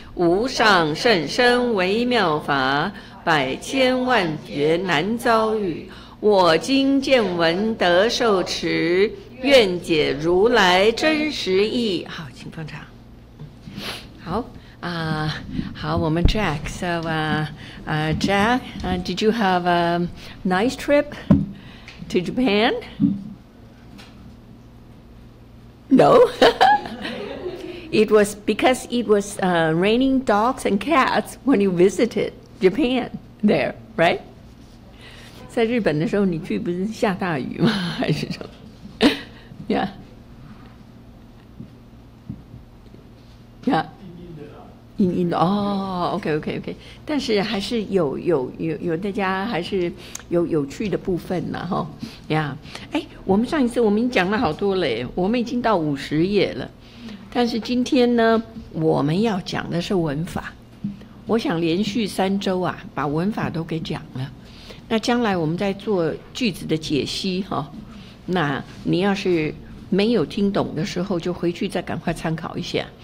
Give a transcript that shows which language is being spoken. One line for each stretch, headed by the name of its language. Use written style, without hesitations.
Chinese: 无上甚深微妙法，百千万劫难遭遇，我今见闻得受持，愿解如来真实义。好，请放场。好啊，好，我们
English: Jack， so Jack， did you have a nice trip to Japan？ No， it was because it was raining dogs and cats when you visited Japan there， right？
Chinese: 在日本的时候，你去不是下大雨吗？还是什么？
English: Yeah。
Chinese: 阴阴的哦 ，OK，OK，OK， 但是还是有大家还是有趣的部分呢，哈，呀，哎，我们上一次我们讲了好多嘞，我们已经到50页了，但是今天呢，我们要讲的是文法，我想连续3周啊，把文法都给讲了，那将来我们在做句子的解析哈，那你要是没有听懂的时候，就回去再赶快参考一下。